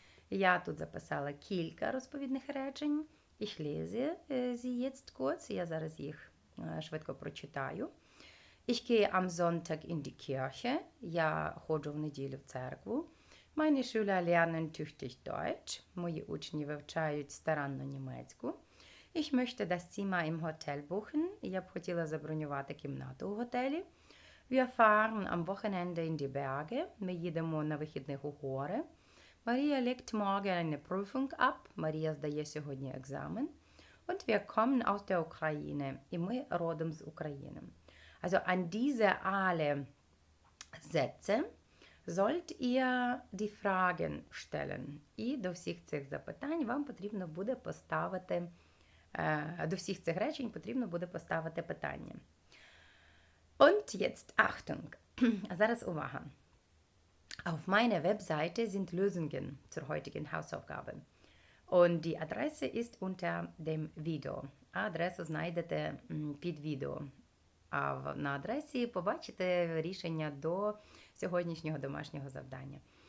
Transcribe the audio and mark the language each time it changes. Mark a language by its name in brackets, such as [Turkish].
[Ukrainian] Я тут записала кілька розповідних речень. [German] Ich lese sie jetzt kurz. [Ukrainian] Я зараз їх швидко прочитаю. [German] Ich gehe am Sonntag in die Kirche. [Ukrainian] Я ходжу в неділю в церкву. [German] Meine Schüler lernen tüchtig Deutsch. [Ukrainian] Мої учні вивчають старанно німецьку. [German] Ich möchte das Zimmer im Hotel buchen. [Ukrainian] Я б хотіла забронювати кімнату у готелі. [German] Wir fahren am Wochenende in die Berge. [Ukrainian] Ми їдемо на вихідних у гори. [German] Maria legt morgen eine Prüfung ab. [Ukrainian] Maria здає сьогодні екзамен. [German] Und wir kommen aus der Ukraine. [Ukrainian] І ми родом з України. [German] Also an diese alle Sätze sollt ihr die Fragen stellen. [Ukrainian] І до всіх цих запитань вам потрібно буде поставити до всіх цих речень потрібно буде поставити питання. [German] Und jetzt Achtung. [Ukrainian] Зараз увага. [German] Auf meiner Webseite sind Lösungen zur heutigen Hausaufgabe. Und die Adresse ist unter dem Video. [Ukrainian] Адресу знайдете під відео. А на адресі побачите рішення до сьогоднішнього домашнього завдання.